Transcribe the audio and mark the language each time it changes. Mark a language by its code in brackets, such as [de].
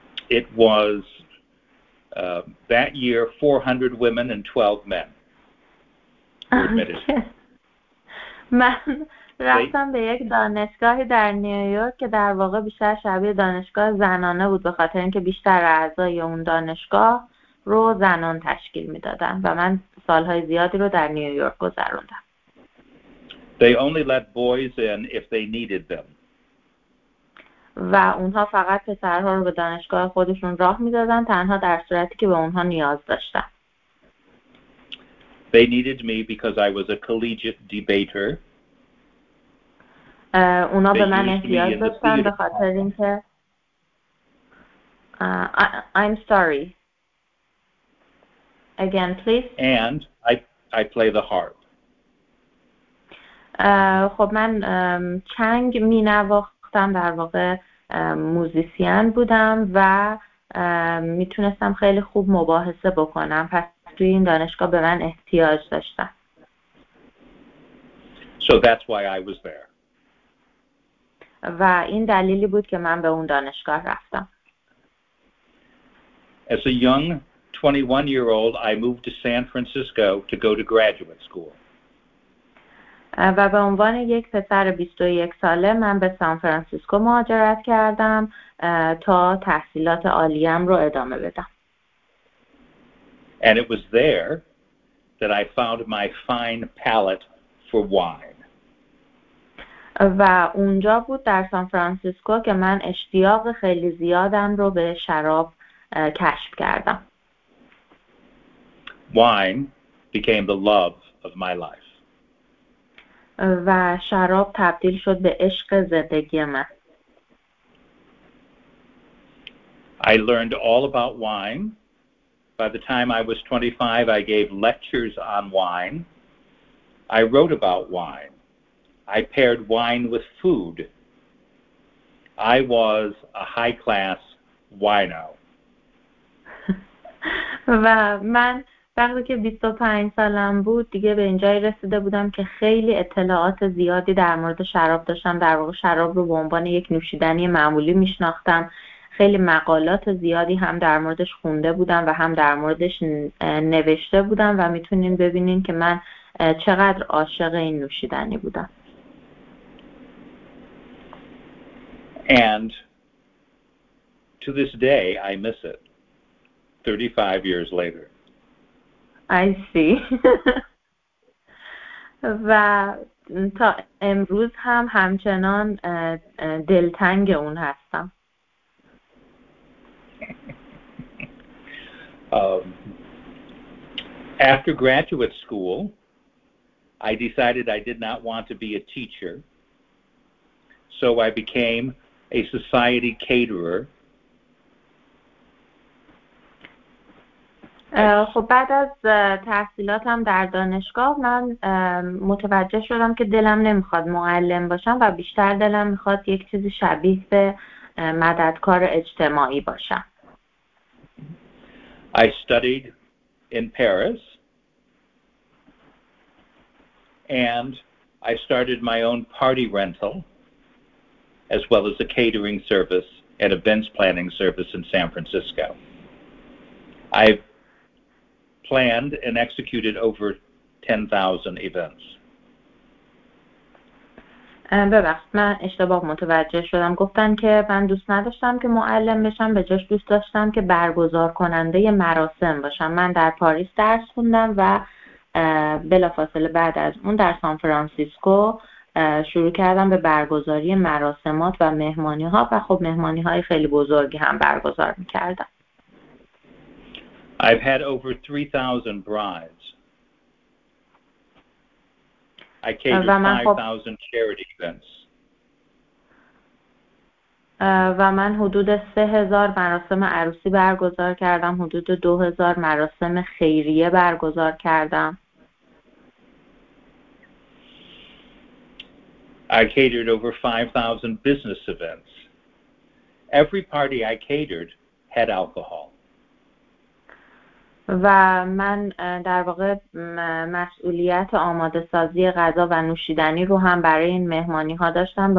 [en] It was that year 400 women and 12 men were admitted. Okay. [fa] رفتم به یک دانشگاهی در نیویورک که در واقع بیشتر شبیه دانشگاه زنانه بود به خاطر اینکه بیشتر اعضای اون دانشگاه رو زنان تشکیل میدادن و من سالهای زیادی رو در نیویورک گذروندم. [en] They only let boys in if they needed them. [fa] و اونها فقط پسرها رو به دانشگاه خودشون راه میدادن تنها در صورتی که به اونها نیاز داشتن. [en] They needed me because I was a collegiate debater. [fa] اونا به من احتیاج داشتن به خاطر اینکه [en] I'm sorry. Again, please. And I play the harp. [fa] خب من چنگ می نواختم در واقع موزیسین بودم و میتونستم خیلی خوب مباحثه بکنم پس توی این دانشگاه به من احتیاج داشتن. [en] So that's why I was there. [fa] و این دلیلی بود که من به اون دانشگاه رفتم. [en] As a young 21-year-old, I moved to San Francisco to go to graduate school. [fa] و به عنوان یک پسر 21 ساله من به سان فرانسیسکو مهاجرت کردم تا تحصیلات عالیم رو ادامه بدم. [en] And it was there that I found my fine palate for wine. [fa] و اونجا بود در سان فرانسیسکو که من اشتیاق خیلی زیادم رو به شراب کشف کردم. [en] Wine became the love of my life. [fa] و شراب تبدیل شد به عشق زندگی من. [en] I learned all about wine. By the time I was 25, I gave lectures on wine. I wrote about wine. I paired wine with food. I was a high-class wino. [fa] و من وقتی که 25 سالم بود دیگه به اینجای رسیده بودم که خیلی اطلاعات زیادی در مورد شراب داشتم. در واقع شراب رو به عنوان یک نوشیدنی معمولی میشناختم. خیلی مقالات زیادی هم در موردش خونده بودم و هم در موردش نوشته بودم و میتونین ببینین که من چقدر عاشق این نوشیدنی بودم. [en] And to this day, I miss it, 35 years later. I see. [fa] و تا امروز هم همچنان دلتنگ اون هستم. [en] After graduate school, I decided I did not want to be a teacher, so I became a society caterer. [fa] خب بعد از تحصیلاتم در دانشگاه من متوجه شدم که دلم نمیخواد معلم باشم و بیشتر دلم میخواد یک چیزی شبیه به مددکار اجتماعی باشم. [en] I studied in Paris and I started my own party rental as well as a catering service and events planning service in San Francisco. I've planned and executed over 10,000 events. [fa] ببخشید من اشتباه متوجه شدم. گفتن که من دوست نداشتم که معلم بشم. به جاش دوست داشتم که برگزار کننده مراسم باشم. من در پاریس درس خوندم و بلافاصله بعد از اون در سان فرانسیسکو شروع کردم به برگزاری مراسمات و مهمانی ها و خب مهمانی های خیلی بزرگی هم برگزار می کردم. [en] I've had over 3,000 brides. I catered 5,000 charity events. [fa] و من حدود 3000 مراسم عروسی برگزار کردم، حدود 2000 مراسم خیریه برگزار کردم. [en] I catered over 5000 business events. Every party I catered had alcohol. [fa] و من در واقع مسئولیت آماده سازی غذا و نوشیدنی رو هم برای این مهمانی ها داشتم.